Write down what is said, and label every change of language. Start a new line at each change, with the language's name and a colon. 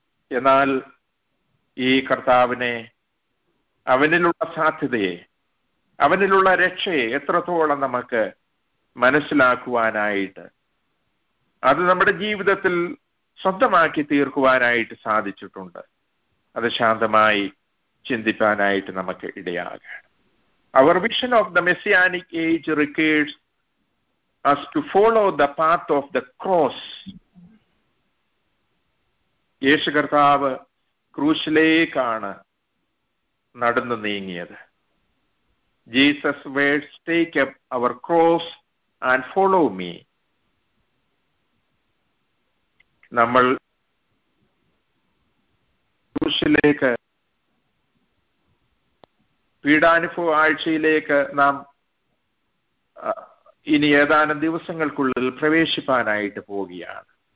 Malayalam: എന്നാൽ ഈ കർത്താവിനെ, അവനിലുള്ള സാധ്യതയെ, അവനിലുള്ള രക്ഷയെ എത്രത്തോളം നമുക്ക് മനസ്സിലാക്കുവാനായിട്ട്, അത് നമ്മുടെ ജീവിതത്തിൽ സ്വന്തമാക്കി തീർക്കുവാനായിട്ട് സാധിച്ചിട്ടുണ്ട്, അത് ശാന്തമായി ചിന്തിക്കാനായിട്ട് നമുക്ക് ഇടയാകണം.
English: Our vision of the messianic age requires us to follow the path of the cross.
Malayalam: യേശു കർത്താവ് ക്രൂശിലേക്കാണ് നടന്നു നീങ്ങിയത്.
English: Jesus words, take up our cross and follow me.
Malayalam: നമ്മൾ ക്രൂശിലേക്ക്, പീഡാനുഭവ ആഴ്ചയിലേക്ക് നാം ഇനി ഏതാനും ദിവസങ്ങൾക്കുള്ളിൽ പ്രവേശിപ്പാനായിട്ട് പോവുകയാണ്.